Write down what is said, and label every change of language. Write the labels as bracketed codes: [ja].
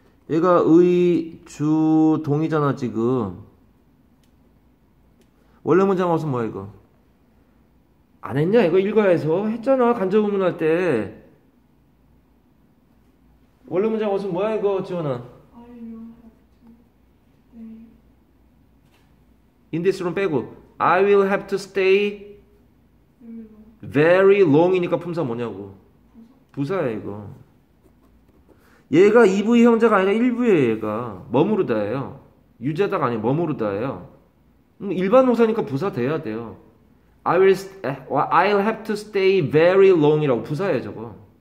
[ko] 얘가 의, 주, 동이잖아 지금. 원래 문장 어순 뭐야 이거? 안 했냐? 이거 읽어야 해서 했잖아 간접문 할 때. 원래 문장 어순 뭐야 이거 지원아? [en] In this room [ko] 빼고 [en] I will have to stay very long이니까 [ko] 품사 뭐냐고. 부사야 이거. 얘가 2부의 형제가 아니라 1부예요 얘가. 머무르다예요. 유자다가 아니라 머무르다예요. 일반 동사니까 부사 돼야 돼요. [en] I'll have to stay very long이라고 [ko] 부사예요 저거.